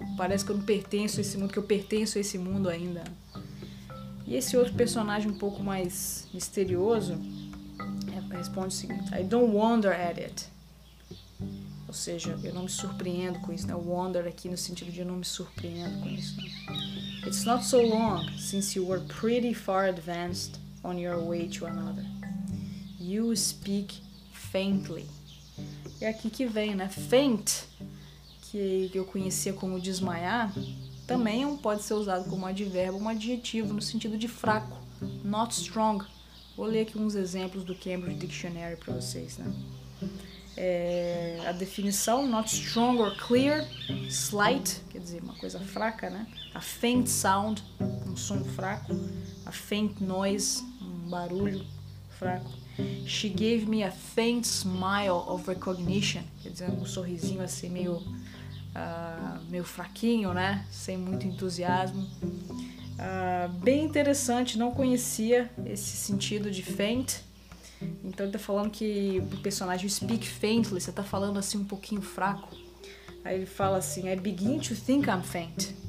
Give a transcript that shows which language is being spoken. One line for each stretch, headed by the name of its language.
Portuguese: Parece que eu não pertenço a esse mundo, que eu pertenço a esse mundo ainda. E esse outro personagem um pouco mais misterioso responde o seguinte:
English: I don't wonder at it.
Portuguese: Ou seja, eu não me surpreendo com isso, né? Wonder aqui no sentido de eu não me surpreendo com isso.
English: It's not so long since you were pretty far advanced on your way to another. You speak faintly.
Portuguese: E aqui que vem, né? Faint, que eu conhecia como desmaiar, também pode ser usado como advérbio, um adjetivo no sentido de fraco. Not strong. Vou ler aqui uns exemplos do Cambridge Dictionary para vocês, né? A definição,
English: not strong or clear, slight,
Portuguese: quer dizer, uma coisa fraca, né? A faint sound, um som fraco. A faint noise, um barulho fraco.
English: She gave me a faint smile of recognition,
Portuguese: quer dizer, um sorrisinho assim meio fraquinho, né? Sem muito entusiasmo. Bem interessante, não conhecia esse sentido de faint. Então ele tá falando que o personagem speak faintly, você tá falando assim um pouquinho fraco. Aí ele fala assim,
English: I begin to think I'm faint.